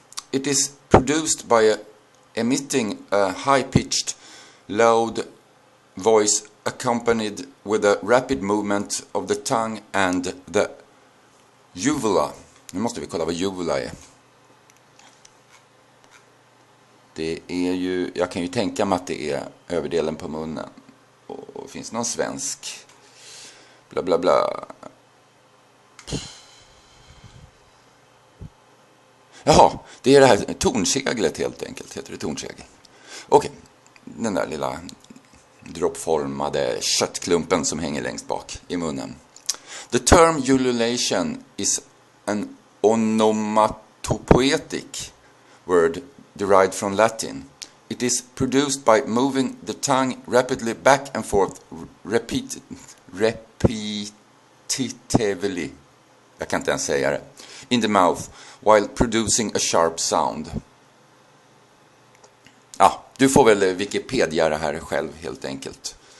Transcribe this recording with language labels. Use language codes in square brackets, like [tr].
[en] It is produced by emitting a high-pitched, loud voice accompanied with a rapid movement of the tongue and the uvula. [sv] Nu måste vi kolla vad uvula är. Det är ju, jag kan ju tänka mig att det är överdelen på munnen. Och finns någon svensk? Bla bla bla. Jaha, det är det här tornseglet helt enkelt. Heter det tornsegel? Okej, den där lilla droppformade köttklumpen som hänger längst bak i munnen. [en] The term ululation is an onomatopoetic word derived from Latin. It is produced by moving the tongue rapidly back and forth repetitively. [sv] Jag kan inte ens säga det. [en] In the mouth while producing a sharp sound. [sv] Ja, du får väl Wikipedia det här själv helt enkelt.